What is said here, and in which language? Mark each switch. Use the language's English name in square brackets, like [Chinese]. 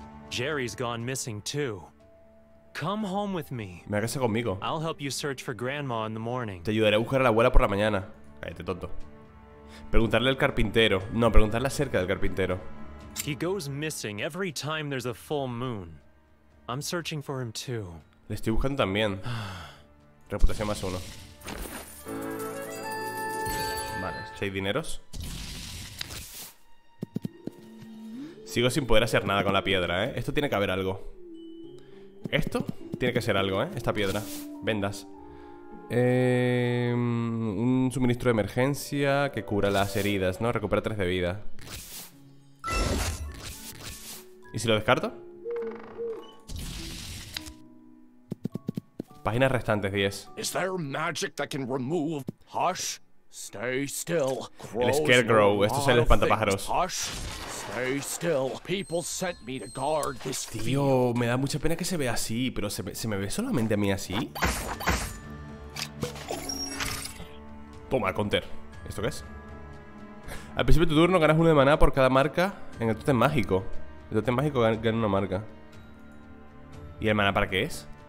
[English] Jerry's gone missing too. Come home with me. [Spanish] Me hagas conmigo. [English] I'll help you search for grandma in the morning. [Spanish] Te ayudaré a buscar a la abuela por la mañana. Cállate, tonto. Preguntarle al carpintero. No, preguntarle acerca del carpintero. [English] He goes missing every time there's a full moon. I'm searching for him too. [Spanish] Le estoy buscando también. Reputación más uno. Vale, 6 dineros. Sigo sin poder hacer nada con la piedra, ¿eh? Esto tiene que haber algo. Esto tiene que ser algo, ¿eh? Esta piedra. Vendas. Un suministro de emergencia que cura las heridas, ¿no? Recupera 3 de vida. ¿Y si lo descarto? Páginas restantes, 10. [English] Is there magic that can remove? Hush, stay still. [Spanish] El Scarecrow, esto es el espantapájaros. [English] Hush, stay still. People sent me to guard this field. [Spanish] Tío, me da mucha pena que se vea así, pero ¿se me ve solamente a mí así? Toma, counter. ¿Esto qué es? Al principio de tu turno ganas uno de maná por cada marca en el tótem mágico. El tótem mágico gana una marca. ¿Y el maná para qué es?